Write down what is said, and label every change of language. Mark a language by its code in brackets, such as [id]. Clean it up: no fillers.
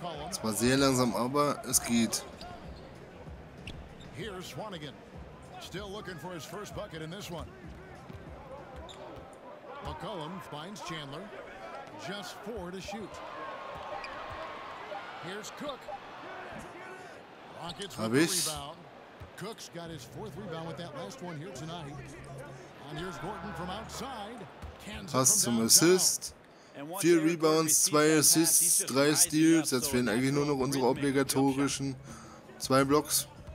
[de] Zwar sehr langsam, aber es geht. [en] Here's Swanigan. Still looking for his first bucket in this one. McCollum finds Chandler. Just 4 to shoot. Here's Cook. Rockets with the rebound. Cook's got his fourth rebound with that last one here tonight. And here's Gordon from outside. [de] Pass zum Assist. 4 Rebounds, 2 Assists, 3 Steals. Jetzt fehlen eigentlich nur noch unsere obligatorischen 2 Blocks.